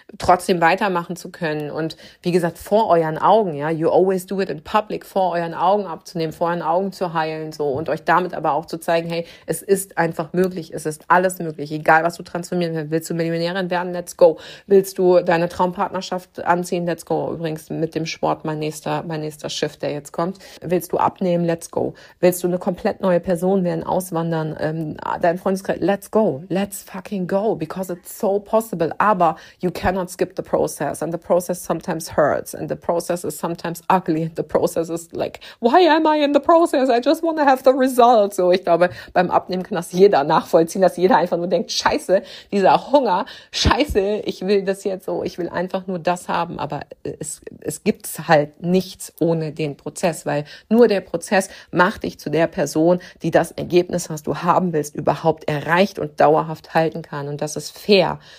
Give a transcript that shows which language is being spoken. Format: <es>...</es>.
<de>trotzdem weitermachen zu können und wie gesagt, vor euren Augen, ja,</de> <en>you always do it in public,</en> <de>vor euren Augen abzunehmen, vor euren Augen zu heilen so und euch damit aber auch zu zeigen, hey, es ist einfach möglich, es ist alles möglich, egal was du transformieren willst, willst du Millionärin werden,</de> <en>let's go,</en> <de>willst du deine Traumpartnerschaft anziehen, let's go, übrigens mit dem Sport mein nächster Shift, der jetzt kommt. Willst du abnehmen? Let's go. Willst du eine komplett neue Person werden, auswandern? Dein Freundeskreis?</de> <en>Let's go. Let's fucking go, because it's so possible.</en> <de>Aber</de> <en>you cannot skip the process and the process sometimes hurts and the process is sometimes ugly and the process is like, why am I in the process? I just want to have the result.</en> <de>So, ich glaube, beim Abnehmen kann das jeder nachvollziehen, dass jeder einfach nur denkt, scheiße, dieser Hunger, scheiße, ich will das jetzt so, ich will einfach nur das haben, aber es gibt es halt nichts ohne den Prozess, weil nur der Prozess macht dich zu der Person, die das Ergebnis, was du haben willst, überhaupt erreicht und dauerhaft halten kann. Und das ist fair.</de>